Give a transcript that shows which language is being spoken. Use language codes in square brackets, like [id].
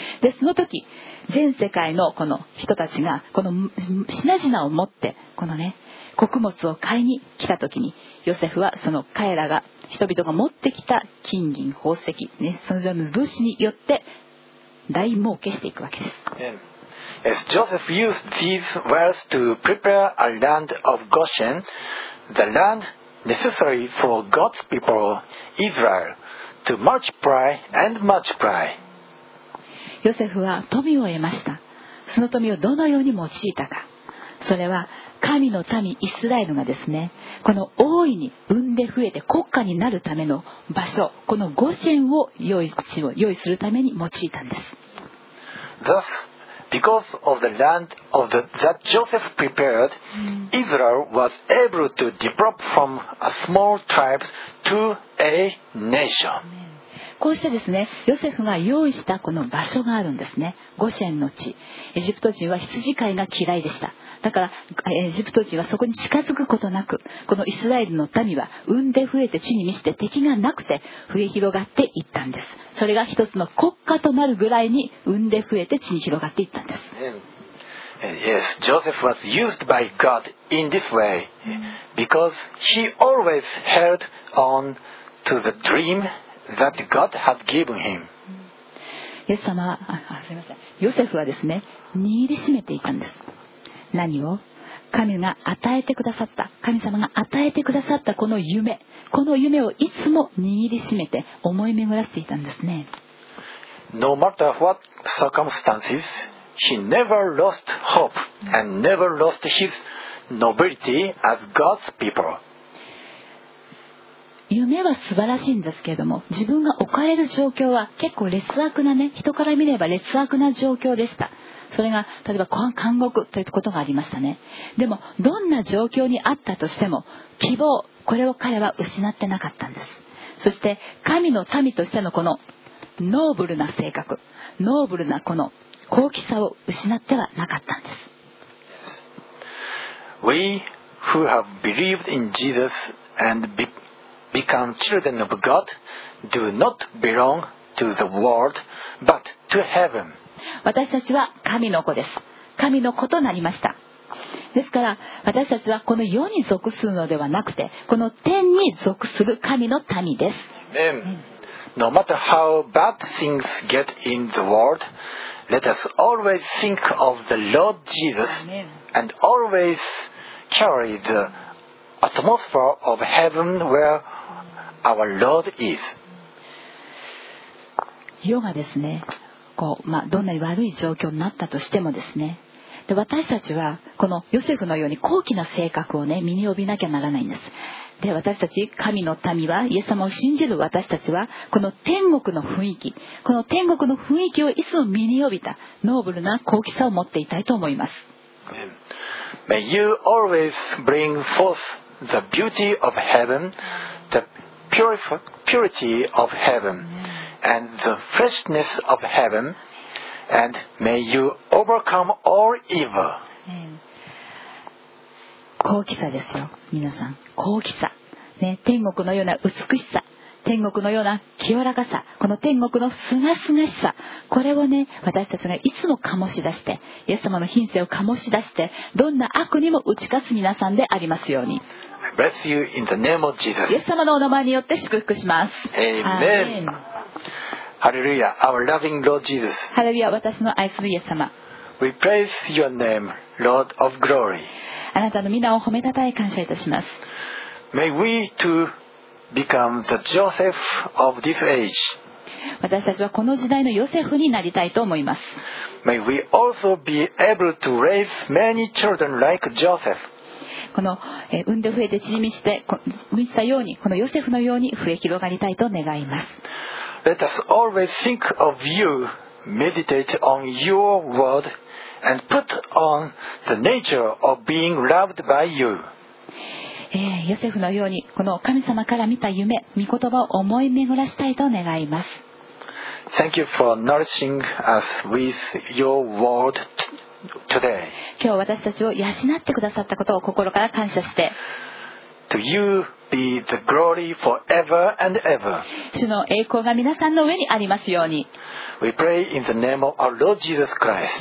[ja] でその時、全世界のこの人たちがこの品々を持ってこのね穀物を買いに来た時に、ヨセフはその彼らが人々が持ってきた金銀宝石ね、その上の物資によって大儲けしていくわけです。 [en] As Joseph used these wealth to prepare a land of Goshen, the land necessary for God's people, Israel. To multiply and multiply. [ja] ヨセフは富を得ました。その富をどのように用いたか、それは神の民イスラエルがですね、この大いに生んで増えて国家になるための場所、このゴシェンを用意するために用いたんです。 [en] Thus because of the land of the, that Joseph prepared, Israel was able to develop from a small tribe to a nation. [ja] こうしてですね、ヨセフが用意したこの場所があるんですね。ゴシェンの地。エジプト人は羊飼いが嫌いでした。だからエジプト人はそこに近づくことなく、このイスラエルの民は産んで増えて地に満ちて敵がなくて増え広がっていったんです。それが一つの国家となるぐらいに産んで増えて地に広がっていったんです。 [en] Yes, Joseph was used by God in this way because he always held on to the dream that God had given him. [ja] イエス様は、すみません。ヨセフはですね、握りしめていたんです。何を？神が与えてくださった、神様が与えてくださったこの夢、この夢をいつも握りしめて思い巡らせていたんですね。 [en] No matter what circumstances, he never lost hope and never lost his nobility as God's people. [ja] 夢は素晴らしいんですけれども、自分が置かれる状況は結構劣悪なね、人から見れば劣悪な状況でした。それが例えば監獄ということがありましたね。でもどんな状況にあったとしても、希望、これを彼は失ってなかったんです。そして神の民としてのこのノーブルな性格、ノーブルなこの高貴さを失ってはなかったんです。 [en] We who have believed in Jesus and become children of God do not belong to the world but to heaven. [ja] 私たちは神の子です。神の子となりました。ですから私たちはこの世に属するのではなくて、この天に属する神の民です。 [en] Amen. No matter how bad things get in the world, let us always think of the Lord Jesus and always carry the atmosphere of heaven whereOur Lord is. [ja] 世がですね、こう、どんなに悪い状況になったとしてもですね、で私たちはこのヨセフのように高貴な性格をね、身に帯びなきゃならないんです。で私たち神の民は、イエス様を信じる私たちはこの天国の雰囲気、この天国の雰囲気をいつも身に帯びたノーブルな高貴さを持っていたいと思います。 [en] May you always bring forth the beauty of heaven, thePurity of heaven and the freshness of heaven, and may you overcome all evil. [ja] 高貴さですよ、皆さん。高貴さ、ね、天国のような美しさ、天国のような清らかさ、この天国のすがすがしさ、これをね、私たちがいつも醸し出して、イエス様の品性を醸し出して、どんな悪にも打ち勝つ皆さんでありますように。 [en] Bless you in the name of Jesus. [ja] イエス様のお名前によって祝福します。 [en] Amen. Hallelujah, our loving Lord Jesus. [ja] ハレルヤ、私の愛するイエス様。 [en] We praise your name, Lord of Glory. [ja] あなたの皆を褒めたたえ感謝いたします。 [en] May we too become the Joseph of this age. [ja] 私たちはこの時代のヨセフになりたいと思います。 [en] May we also be able to raise many children like Joseph. [ja] この産んで増えて縮みして満ちたように、このヨセフのように増え広がりたいと願います。 [en] Let us always think of you, meditate on your word, and put on the nature of being loved by you. [ja] ヨセフのようにこの神様から見た夢、御言葉を思い巡らしたいと願います。 [en] Thank you for nourishing us with your word today. [ja] 今日私たちを養ってくださったことを心から感謝して、 [en] To you be the glory forever and ever. [ja] 主の栄光が皆さんの上にありますように。 [en] We pray in the name of our Lord Jesus Christ.